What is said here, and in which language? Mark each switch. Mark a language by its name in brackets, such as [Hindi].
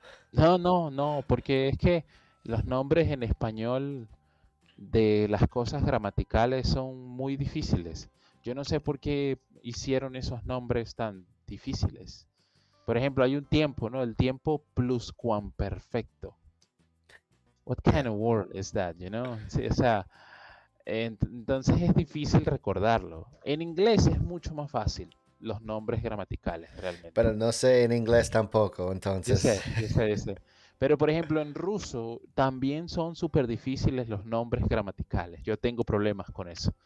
[Spanish] No, no, no, porque es que los nombres en español de las cosas gramaticales son muy difíciles. Yo no sé por qué hicieron esos nombres tan difíciles. Por ejemplo, hay un tiempo, ¿no? El tiempo pluscuamperfecto. [English] What kind of word is that, you know? [Spanish] Sí, o sea, entonces es difícil recordarlo. En inglés es mucho más fácil los nombres gramaticales, Pero realmente. no sé en inglés tampoco, Yo entonces. sé, yo sé, yo sé. Pero, por ejemplo, en ruso también son súper difíciles los nombres gramaticales. Yo tengo problemas con eso.